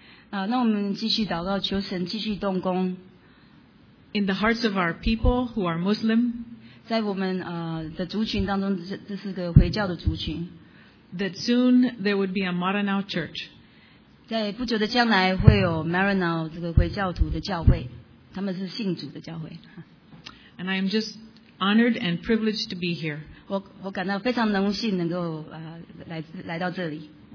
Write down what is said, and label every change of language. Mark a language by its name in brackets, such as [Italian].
[Chinese] 那我们继续祷告，求神继续动工。 [English] In the hearts of our people who are Muslim, [Chinese] 在我们, 的族群当中，这是个回教的族群, [English] that soon there would be a Maranao church. [Chinese] 在不久的将来会有Maranao这个回教徒的教会，他们是信主的教会。 [English] And I am just honored and privileged to be here. [Chinese] 我感到非常荣幸能够, 来到这里。